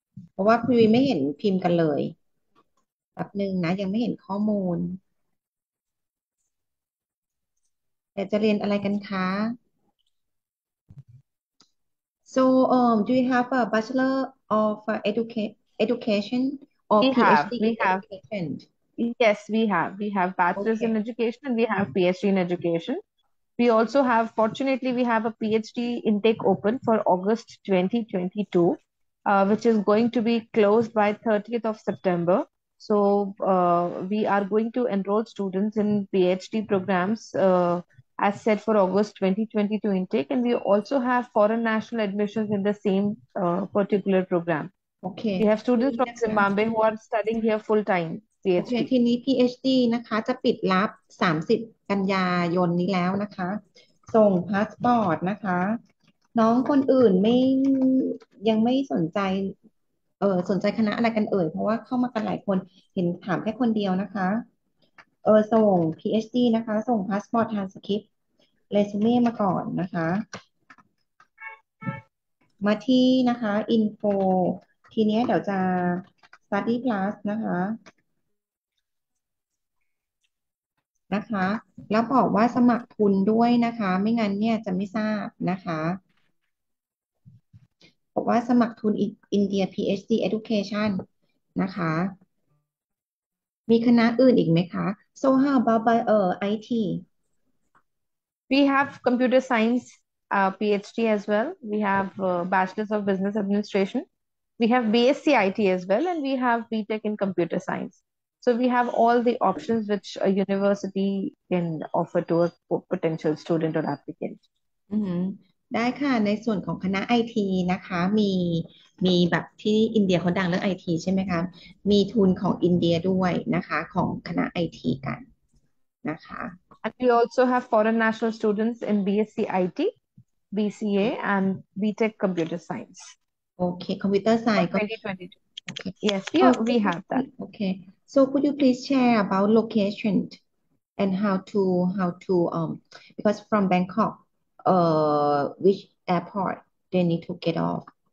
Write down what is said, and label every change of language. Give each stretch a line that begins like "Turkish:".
Thai: เพราะว่าคุยไม่เห็นพิมพ์กันเลยแป๊บหนึ่งนะยังไม่เห็นข้อมูลแต่จะเรียนอะไรกันคะ
English: So do you have a bachelor of education or We have, PhD we in have. education? Yes, we have. We have bachelor's in education and we have PhD in education. We also have, fortunately, we have a PhD intake open for August 2022, which is going to be closed by 30th of September. So we are going to enroll students in PhD programs as set for August 2022 intake. And we also have foreign national admissions in the same particular program. Okay. We have students from Zimbabwe who are studying here full time.
Thai: โอเคทีนี้ PhD นะคะจะปิดรับ30กันยายนนี้แล้วนะคะส่งพาสปอร์ตนะคะน้องคนอื่นยังไม่สนใจสนใจคณะอะไรกันเอ่ยเพราะว่าเข้ามากันหลายคนเห็นถามแค่คนเดียวนะคะส่ง PhD นะคะส่งพาสปอร์ตทรานสคริปต์เรซูเม่มาก่อนนะคะมาที่นะคะ info ทีนี้เดี๋ยวจะ study plus นะคะ นะคะแล้วบอกว่าสมัครทุนด้วยนะคะไม่งั้นเนี่ยจะไม่ทราบนะคะบอกว่าสมัครทุนอินเดีย PhD Education นะคะมีคณะอื่นอีกไหมคะ
English: So how about IT We have computer science PhD as well We have bachelor's of business administration We have BSc IT as well and we have BTech in computer science So we have all the options which a university can offer to a potential student or applicant.
Thai: ได้ค่ะในส่วนของคณะ IT นะคะมีแบบที่อินเดียเขาดังเรื่อง IT ใช่ไหมคะมีทุนของอินเดียด้วยนะคะของคณะ IT กันนะคะ
English: And we also have foreign national students in BSc IT, BCA and BTech Computer Science. Okay, Computer Science. 2022. Okay. Yes, yeah, okay. we have that. Okay. So could you please share about location and how to because from Bangkok, which airport they need to get off?